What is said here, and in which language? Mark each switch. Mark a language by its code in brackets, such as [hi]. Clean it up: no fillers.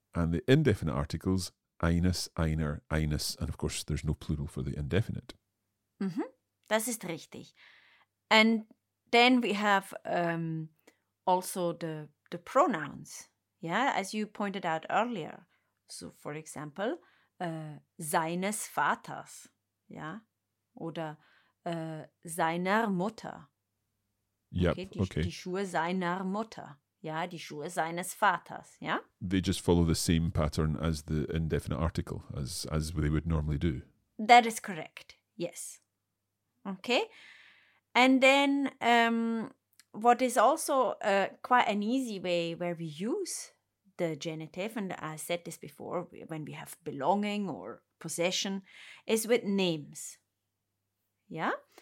[en] And the indefinite articles, eines, einer, eines, and of course there's no plural for the indefinite. [de] Mm-hmm. Das ist richtig. [en] And then we have also the pronouns, yeah, as you pointed out earlier. So for example, [de] seines Vaters, ja, oder seiner Mutter. [en] Yep, okay. [de] Die Schuhe seiner Mutter, ja, die Schuhe seines Vaters, ja. [en] They just follow the same pattern as the indefinite article, as they would normally do. That is correct, yes. Okay, and then what is also quite an easy way where we use the genitive, and I said this before, when we have belonging or possession, is with names. Yeah?